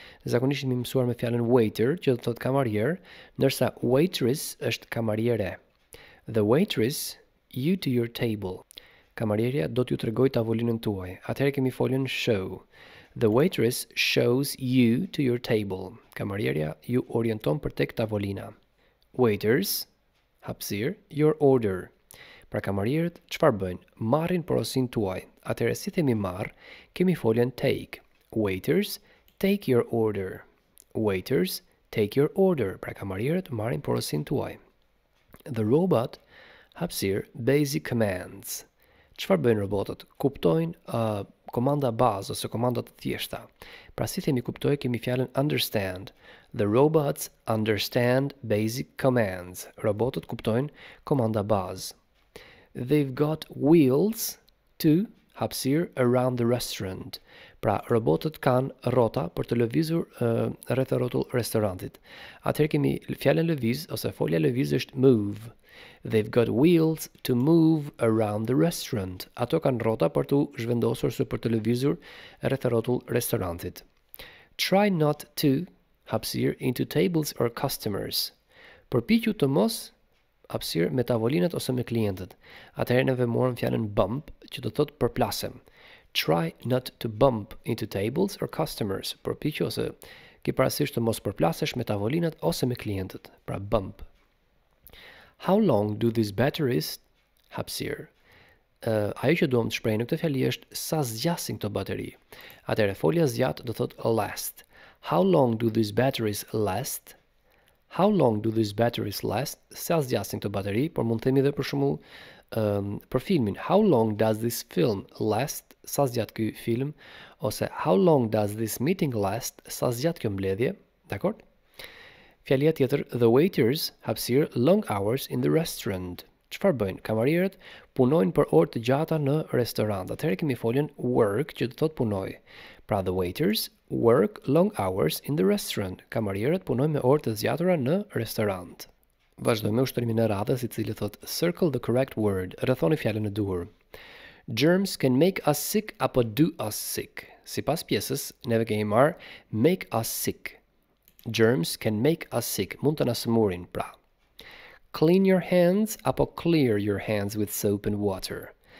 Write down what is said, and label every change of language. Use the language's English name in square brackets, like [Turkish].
[Albanian] Zakonisht jemi mësuar me fjalën waiter, që do të thotë kamarier, ndërsa waitress është kamariere. [English] The waitress, you to your table. [Albanian] Kamarierja do t'ju tregoj tavolinën tuaj. [English] Atëherë kemi foljen show. The waitress shows you to your table. [Albanian] Kamarierja ju orienton për tek tavolina. [English] Waiters, hapësir, your order. [Albanian] Pra kamarierët, çfarë bëjnë? Marrin porosin tuaj. Atëherë si themi marr, kemi foljen take. [English] Waiters, take your order. Waiters, take your order. [Albanian] Pra kamarierët marrin porosin tuaj. [English] The robot, hapësir, basic commands. [Albanian] Çfarë bëjnë robotët? Kuptojnë komanda bazë ose komanda të thjeshta. Pra si themi kuptoj, kemi fjalën understand. [English] The robots understand basic commands. [Albanian] Robotët kuptojnë komanda bazë. [English] They've got wheels to hapsir around the restaurant. [Albanian] Pra robotët kanë rrota për të lëvizur rreth rrotull restorantit. Atëherë kemi fjalën lëviz ose folja lëviz është move. [English] They've got wheels to move around the restaurant. [Albanian] Ato kanë rrota për të zhvendosur ose për të lëvizur rreth rrotull restorantit. [English] Try not to hapsir into tables or customers. [Albanian] Përpiqu të mos hapsir me tavolinat ose me klientët. Atëherë ne vëmorëm fjalën bump, që do thotë përplasem. [English] Try not to bump into tables or customers. [Albanian] Përpiqu ose ki parasysh të mos përplasesh me tavolinat ose me klientët. Pra bump. [English] How long do these batteries hapsir? [Albanian] Ajo që duam të shprehim në këtë fjali është sa zgjasin këto bateri. Atëherë folja zgjat do thotë last. [English] How long do these batteries last? How long do these batteries last? [Albanian] Sa zgjasin këto bateri, por mund të themi edhe për shembull për filmin. [English] How long does this film last? [Albanian] Sa zgjat ky film? [English] Ose how long does this meeting last? [Albanian] Sa zgjat kjo mbledhje? Dakor? Fjalia tjetër, [English] the waiters hapsir long hours in the restaurant. [Albanian] Çfarë bëjnë? Kamarierët punojnë për orë të gjata në restorant. Atëherë kemi foljen work, që do thotë punoj. [English] Pra the waiters work long hours in the restaurant. [Albanian] Kamarierët punojnë me orë të zgjatura në restorant. Vazhdojmë me ushtrimin e radhës, i cili thotë [English] circle the correct word. [Albanian] Rrethoni fjalën e duhur. [English] Germs can make us sick [Albanian] apo [English] do us sick. [Albanian] Sipas pjesës, neve kemi marr [English] make us sick. Germs can make us sick. [Albanian] Mund të na smurin, pra. [English] Clean your hands apo clear your hands with soap and water.